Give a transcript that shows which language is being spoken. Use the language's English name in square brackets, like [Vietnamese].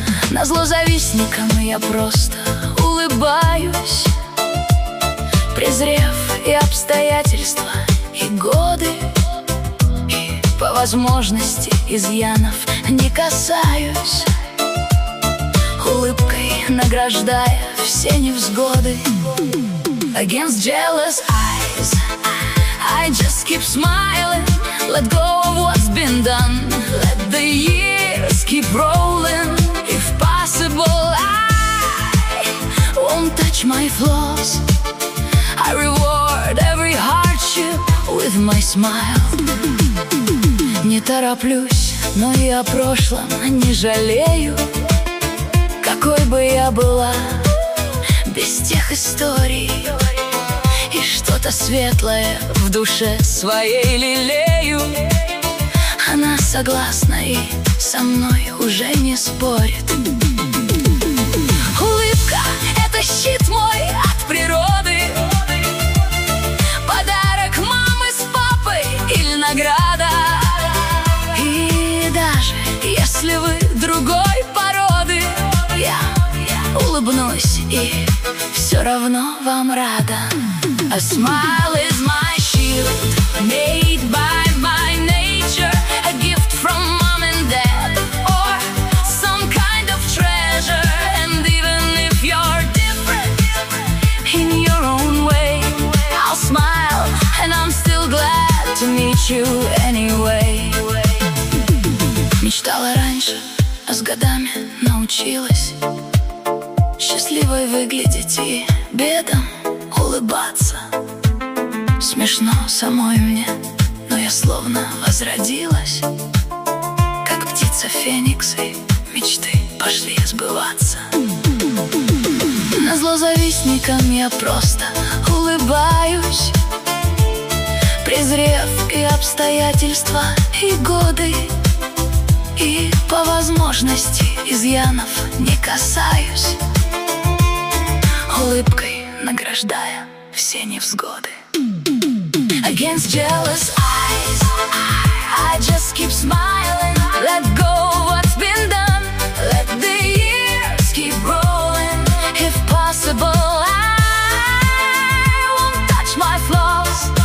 [Russian] Назло завистникам я просто улыбаюсь, презрев и обстоятельства, и годы, и по возможности изъянов не касаюсь, улыбкой награждая все невзгоды. [English] Against jealous eyes, I just keep smiling. Let go of what's been done. Let the years keep rolling. If possible, I won't touch my flaws. I reward every hardship with my smile. [Russian] Не тороплюсь, но и о прошлом не жалею. Какой бы я была без тех историй, и что-то светлое в душе своей лелею. Она согласна и со мной уже не спорит. Улыбка — это щит мой от природы, подарок мамы с папой или награда. И даже если вы другой породы, я улыбнусь и все равно вам рада. [English] A smile is my shield, made by my nature, a gift from mom and dad, or some kind of treasure. And even if you're different in your own way, I'll smile and I'm still glad to meet you anyway. [Russian] Мечтала раньше, а с годами научилась счастливой выглядеть и бедом улыбаться. Смешно самой мне, но я словно возродилась, как птица фениксы, мечты пошли сбываться. Назло завистникам я просто улыбаюсь, презрев и обстоятельства, и годы, и по возможности изъянов не касаюсь, улыбкой награждая все невзгоды. [English] Against jealous eyes, I just keep smiling. Let go of what's been done. Let the years keep rolling. If possible, I won't touch my flaws.